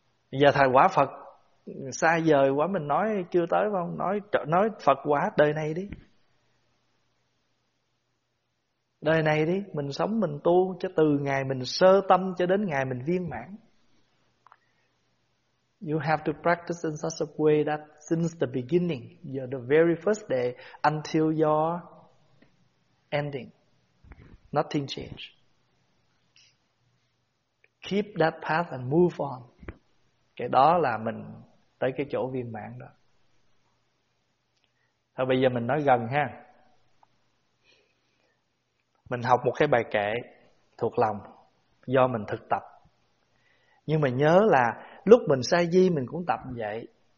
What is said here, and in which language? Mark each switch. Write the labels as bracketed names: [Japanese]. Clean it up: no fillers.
[Vietnamese] Giờ thầy quả Phật xa vời quá, mình nói chưa tới phải không? Nói Phật quả đời này đi. Đời này đi, mình sống mình tu cho từ ngày mình sơ tâm cho đến ngày mình viên mãn. [English] You have to practice in such a way that since the beginning, the very first day until your ending, nothing changed. Keep that path and move on. [Vietnamese] Cái đó là mình tới cái chỗ viên mãn đó. Thôi bây giờ mình nói gần ha. Mình học một cái bài kệ thuộc lòng do mình thực tập. Nhưng mà nhớ là lúc mình sa di mình cũng tập vậy.